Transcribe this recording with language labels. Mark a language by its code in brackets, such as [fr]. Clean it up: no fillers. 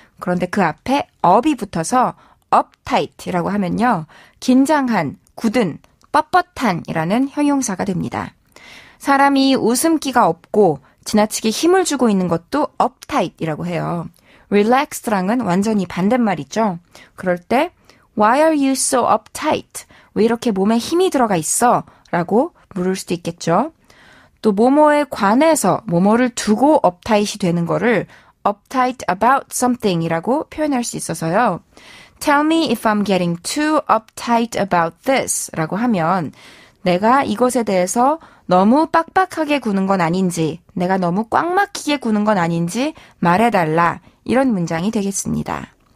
[ko] 그런데 그 앞에 up이 붙어서 uptight이라고 하면요. 긴장한, 굳은, 뻣뻣한이라는 형용사가 됩니다. 사람이 웃음기가 없고 지나치게 힘을 주고 있는 것도 uptight이라고 해요. relax랑은 완전히 반대말이죠. 그럴 때 [en] why are you so uptight? [ko] 왜 이렇게 몸에 힘이 들어가 있어? 라고 물을 수도 있겠죠. 또 뭐뭐에 관해서 뭐뭐를 두고 uptight이 되는 거를 [en] uptight about something [ko] 이라고 표현할 수 있어서요. [en] Tell me if I'm getting too uptight about this [ko] 라고 하면 내가 이것에 대해서 너무 빡빡하게 구는 건 아닌지 내가 너무 꽉 막히게 구는 건 아닌지 말해달라 이런 문장이 되겠습니다.